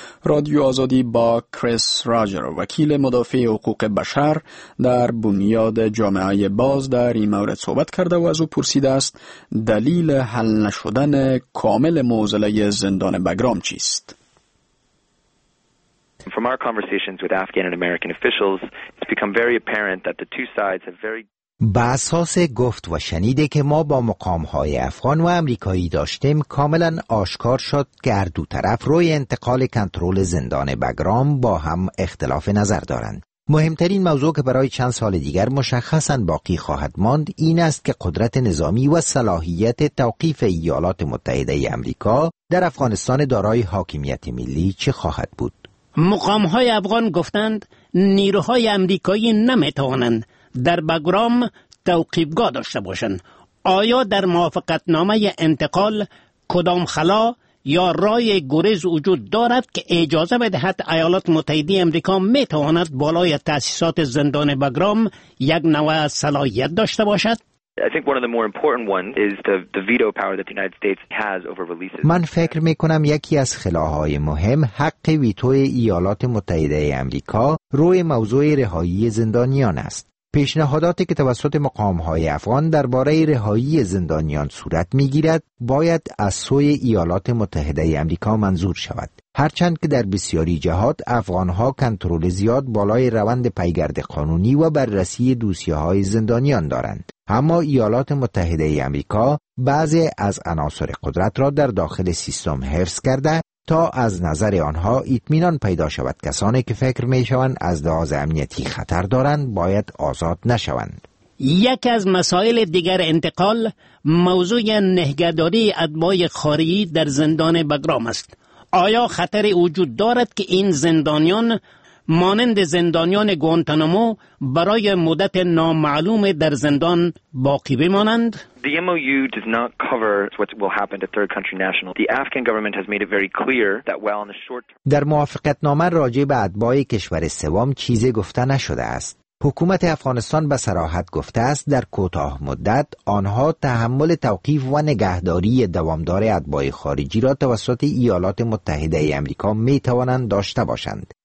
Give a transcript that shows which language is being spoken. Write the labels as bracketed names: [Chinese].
[Persian] رادیو آزادی با کریس راجر، وکیل مدافع حقوق بشر در بنیاد جامعه باز، در این مورد صحبت کرده و از او پرسیده است دلیل حل نشدن کامل معضله زندان بگرام چیست؟ [English] From our conversations with Afghan and American officials, it's become very apparent that the two sides have very. [Persian] به اساس گفت و شنیده که ما با مقام‌های افغان و آمریکایی داشتیم، کاملاً آشکار شد که هر دو طرف روی انتقال کنترل زندان بگرام با هم اختلاف نظر دارند. مهمترین موضوع که برای چند سال دیگر مشخصاً باقی خواهد ماند، این است که قدرت نظامی و صلاحیت توقیف ایالات متحده ای آمریکا در افغانستان دارای حاکمیت ملی چه خواهد بود. مقام‌های افغان گفتند نیروهای آمریکایی نمی‌توانند در بگرام توقیفگاه داشته باشند. آیا در موافقتنامه انتقال کدام خلا یا رای گریز وجود دارد که اجازه بدهد ایالات متحده آمریکا می‌تواند بالای تأسیسات زندان بگرام یک نوع صلاحیت داشته باشد؟ [English] I think one of the more important ones is the veto power that the United States has over releases. [Persian] من فکر می کنم یکی از خلاهای مهم حق ویتوی ایالات متحده آمریکا روی موضوع رهایی زندانیان است. پیشنهاداتی که توسط مقام‌های افغان درباره رهایی زندانیان صورت می‌گیرد، باید از سوی ایالات متحده آمریکا منظور شود. هرچند که در بسیاری جهات افغان‌ها کنترل زیاد بالای روند پیگرد قانونی و بررسی دوسیه‌های زندانیان دارند، اما ایالات متحده آمریکا بعضی از عناصر قدرت را در داخل سیستم حفظ کرده تا از نظر آنها اطمینان پیدا شود کسانی که فکر می‌شوند از لحاظ امنیتی خطر دارند باید آزاد نشوند. یکی از مسائل دیگر انتقال موضوع نگهداری ادبای خارجی در زندان بگرام است. آیا خطر وجود دارد که این زندانیان مانند زندانیان گوانتانامو برای مدت نامعلوم در زندان باقی بمانند؟ [English] The MOU does not cover what will happen to third country nationals. The Afghan government has made it very clear that while in the short term [Persian] در موافقتنامه راجع به اتباعی کشور سوم چیزی گفته نشده است. حکومت افغانستان به صراحت گفته است در کوتاه مدت آنها تحمل توقیف و نگهداری دوامدار اتباعی خارجی را توسط ایالات متحده آمریکا می توانند داشته باشند.